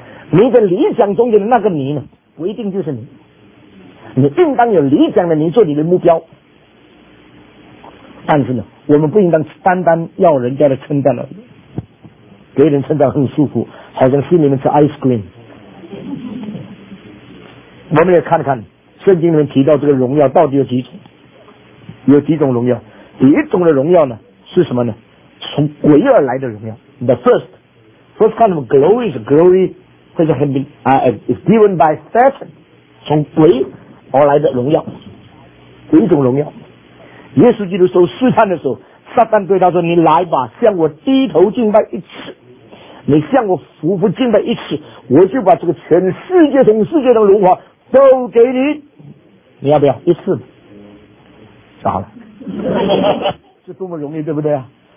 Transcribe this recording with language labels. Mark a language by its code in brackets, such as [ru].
[zh] 你的理想中的那个你呢，不一定就是你。你应当有理想的你做你的目标，但是呢，我们不应当单单要人家的称赞了。别人称赞很舒服，好像心里面吃 ice cream。我们也看看圣经里面提到这个荣耀到底有几种，有几种荣耀。第一种的荣耀呢是什么呢？从鬼而来的荣耀。 [en] The first kind of glory is glory which has been is given by Satan, [zh] 从鬼而来的荣耀。第一种荣耀，耶稣基督受试探的时候，撒旦对他说，你来吧，向我低头敬拜一次，你向我俯伏敬拜一次，我就把这个全世界从世界的荣华都给你，你要不要一次？咋了？这多么容易，对不对啊？